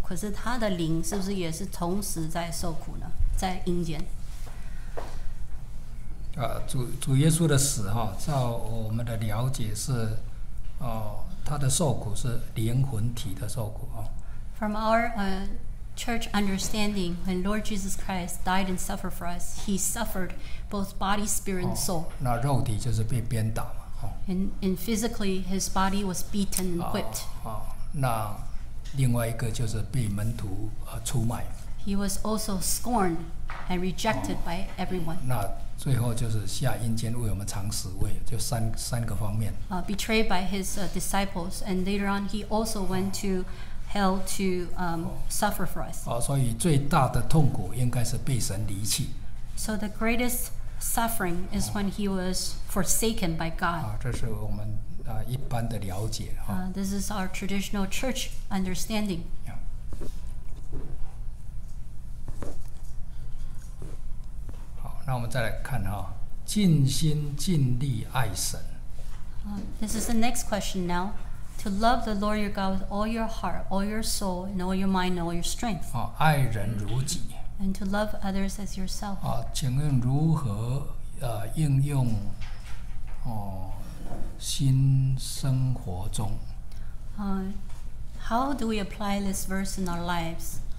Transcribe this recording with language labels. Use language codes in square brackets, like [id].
[zh] 可是他的灵是不是也是同时在受苦呢？在阴间。主耶稣的死哈，照我们的了解是，他的受苦是灵魂体的受苦啊。 [en] From our Church understanding, when Lord Jesus Christ died and suffered for us, He suffered both body, spirit, and soul. [zh] 那肉体就是被鞭打嘛。 [en] And physically, His body was beaten and whipped. [zh] 那另外一个就是被门徒出卖。 [en] He was also scorned and rejected by everyone. [zh] 那最后就是下阴间为我们尝死味，就三个方面。 [en] Betrayed by His disciples, and later on, He also went to hell to suffer for us. [zh] 所以最大的痛苦应该是被神离弃。 [en] So the greatest suffering is when he was forsaken by God. [zh] 这是我们一般的了解。 [en] This is our traditional church understanding. Yeah. [zh] 好，那我们再来看尽心尽力爱神。 [en] This is the next question now. To love the Lord your God with all your heart, all your soul, and all your mind, and all your strength. [zh] 爱人如己。 [en] And to love others as yourself. [zh] 请问如何应用新生活中？ [en] How do we apply this verse in our lives?